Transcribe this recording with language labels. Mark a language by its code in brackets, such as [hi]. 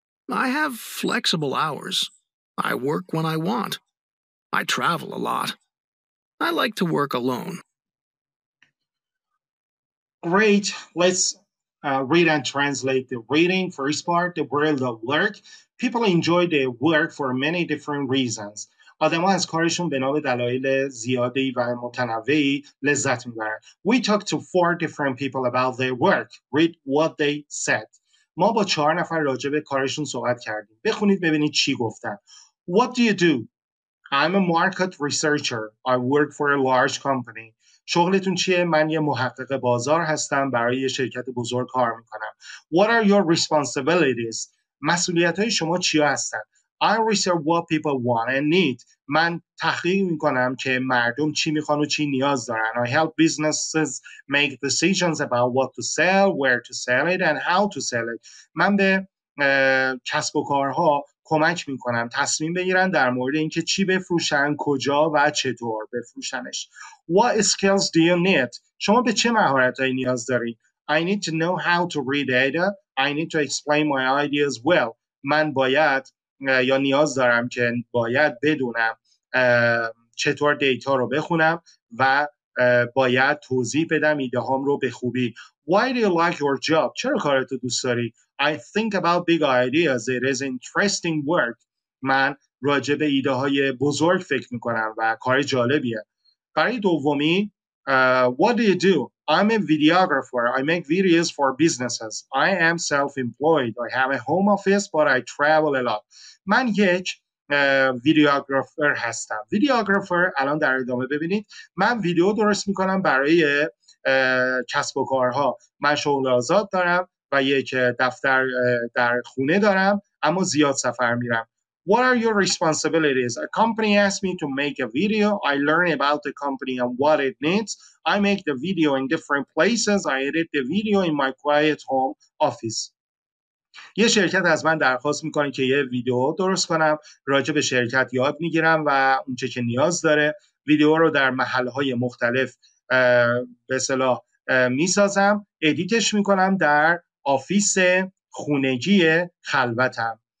[en] I have flexible hours. I work when I want. I travel a lot. I like to work alone. Great. Let's read and translate the reading. First part, the world of work. People enjoy their work for many different reasons. [fa] آدم ها از کارشون بنا به دلایل زیادی و متنوعی لذت میبرن. [en] We talked to four different people about their work. Read what they said. [fa] ما با چهار نفر راجع به کارشون صحبت کردیم. بخونید ببینید چی گفتن. [en] What do you do? I'm a market researcher. I work for a large company. [fa] شغلتون چیه؟ من یه محقق بازار هستم، برای یه شرکت بزرگ کار میکنم. [en] What are your responsibilities? [fa] مسئولیت های شما چی هستن؟ [en] I research what people want and need. [fa] من تحقیق میکنم که مردم چی میخوان و چی نیاز دارن. [en] I help businesses make decisions about what to sell, where to sell it and how to sell it. [fa] من به کسب و کارها کمک میکنم تصمیم بگیرن در مورد اینکه چی بفروشن، کجا و چطور بفروشنش. [en] What skills do you need? [fa] شما به چه مهارتهایی نیاز دارید؟ [en] I need to know how to read data. I need to explain my ideas well. [fa] من باید یا نیاز دارم که باید بدونم چطور دیتا رو بخونم و باید توضیح بدم ایده هام رو به خوبی. [en] Why do you like your job? [fa] چرا کارتو دوست داری؟ [en] I think about big ideas. It is interesting work. [fa] من راجع به ایده های بزرگ فکر میکنم و کار جالبیه. برای دومی [en] what do you do? I'm a videographer. I make videos for businesses. I am self-employed. I have a home office, but I travel a lot. [fa] من یک ویدیوگرافر هستم. ویدیوگرافر الان در ادامه ببینید. من ویدیو درست میکنم برای کسب و کارها. من شغل آزاد دارم و یک دفتر در خونه دارم، اما زیاد سفر میرم. [en] What are your responsibilities? A company asked me to make a video. I learn about the company and what it needs. I make the video in different places. I edit the video in my quiet home office. [fa] یه شرکت از من درخواست میکنه که یه ویدیو درست کنم. راجع به شرکت یاد میگیرم و اونچه که نیاز داره. ویدیو رو در محلهای مختلف به اصطلاح میسازم. ادیتش میکنم در آفیس خونگی خلوتم.